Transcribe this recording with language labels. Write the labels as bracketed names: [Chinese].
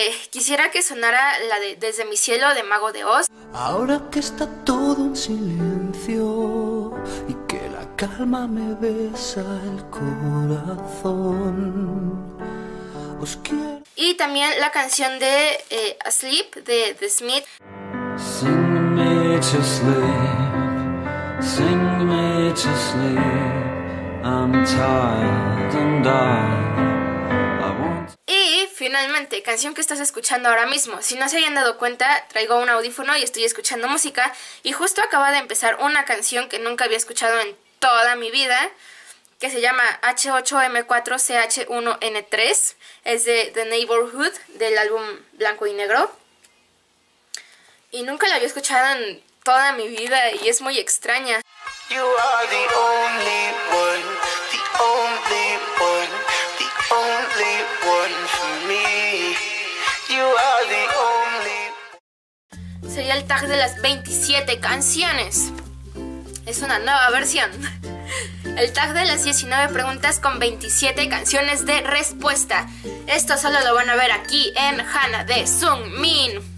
[Spanish] Quisiera que sonara la de Desde mi cielo de Mago de Oz. Ahora que está todo en silencio y que la calma me besa el corazón, os quiero. Y también la canción de Asleep de The Smith. [English] Sing me to sleep, sing me to sleep, I'm tired and I. [Spanish] Finalmente, canción que estás escuchando ahora mismo. Si no se hayan dado cuenta, traigo un audífono y estoy escuchando música. Y justo acaba de empezar una canción que nunca había escuchado en toda mi vida, que se llama H8M4CH1N3. Es de The Neighborhood, del álbum Blanco y Negro. Y nunca la había escuchado en toda mi vida y es muy extraña. [English] You are the only one, the only one, the only one. [Spanish] Sería el tag de las 27 canciones. Es una nueva versión. El tag de las 19 preguntas con 27 canciones de respuesta. Esto solo lo van a ver aquí en Hana de Sungmin.